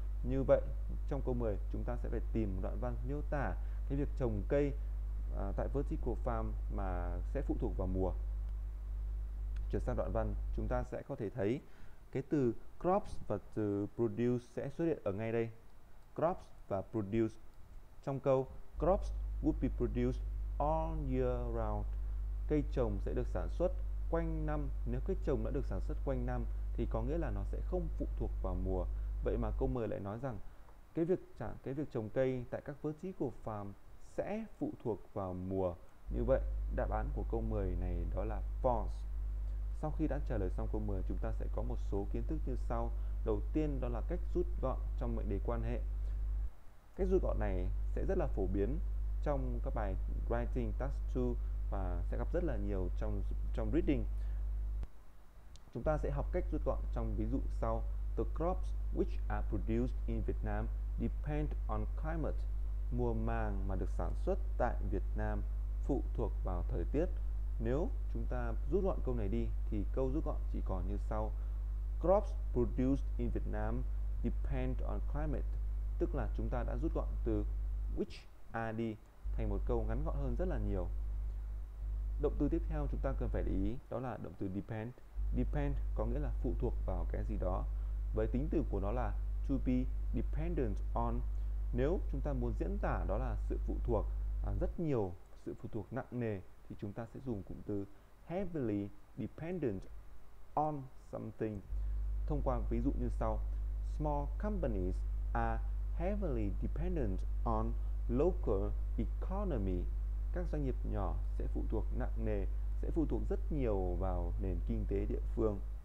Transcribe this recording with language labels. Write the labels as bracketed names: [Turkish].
[Vietnamese] Như vậy, trong câu 10, chúng ta sẽ phải tìm đoạn văn miêu tả cái việc trồng cây tại vertical farm mà sẽ phụ thuộc vào mùa. Chuyển sang đoạn văn, chúng ta sẽ có thể thấy cái từ crops và từ produce sẽ xuất hiện ở ngay đây. Crops và produce. Trong câu, [English] crops would be produced all year round. [Vietnamese] Cây trồng sẽ được sản xuất quanh năm. Nếu cây trồng đã được sản xuất quanh năm thì có nghĩa là nó sẽ không phụ thuộc vào mùa. Vậy mà câu 10 lại nói rằng cái việc trồng cây tại các vertical farm sẽ phụ thuộc vào mùa. Như vậy, đáp án của câu 10 này đó là false. Sau khi đã trả lời xong câu 10, chúng ta sẽ có một số kiến thức như sau. Đầu tiên đó là cách rút gọn trong mệnh đề quan hệ. Cách rút gọn này sẽ rất là phổ biến trong các bài writing task 2 và sẽ gặp rất là nhiều trong reading. Chúng ta sẽ học cách rút gọn trong ví dụ sau. [English] The crops which are produced in Vietnam depend on climate. [Vietnamese] Mùa màng mà được sản xuất tại Việt Nam phụ thuộc vào thời tiết. Nếu chúng ta rút gọn câu này đi thì câu rút gọn chỉ còn như sau. [English] Crops produced in Vietnam depend on climate. [Vietnamese] Tức là chúng ta đã rút gọn từ which are đi thành một câu ngắn gọn hơn rất là nhiều. Động từ tiếp theo chúng ta cần phải để ý đó là động từ depend. Depend có nghĩa là phụ thuộc vào cái gì đó. Với tính từ của nó là to be dependent on. Nếu chúng ta muốn diễn tả đó là sự phụ thuộc rất nhiều, sự phụ thuộc nặng nề thì chúng ta sẽ dùng cụm từ heavily dependent on something. Thông qua ví dụ như sau. [English] Small companies are heavily dependent on local economy. [Vietnamese] Các doanh nghiệp nhỏ sẽ phụ thuộc nặng nề, sẽ phụ thuộc rất nhiều vào nền kinh tế địa phương.